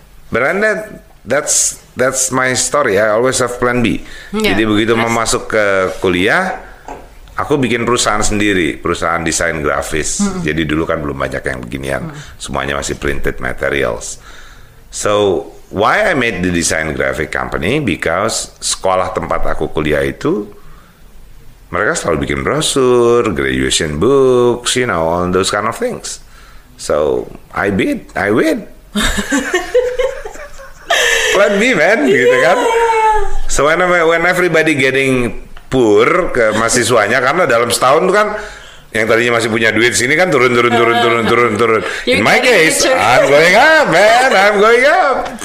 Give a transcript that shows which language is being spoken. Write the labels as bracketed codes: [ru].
[en] But then that's my story. I always have plan B. [id] Jadi begitu mau masuk ke kuliah, aku bikin perusahaan sendiri, perusahaan desain grafis. Jadi dulu kan belum banyak yang beginian, semuanya masih printed materials. [en] So why I made the design graphic company? Because [id] sekolah tempat aku kuliah itu, mereka selalu bikin brosur, [en] graduation books, you know, all those kind of things. So I win. Plan B, man, yeah. [id] Gitu kan. [en] So when everybody getting poor [id] ke mahasiswanya, karena dalam setahun tuh kan yang tadinya masih punya duit sini kan turun. [en] In my case, I'm going up, man, I'm going up.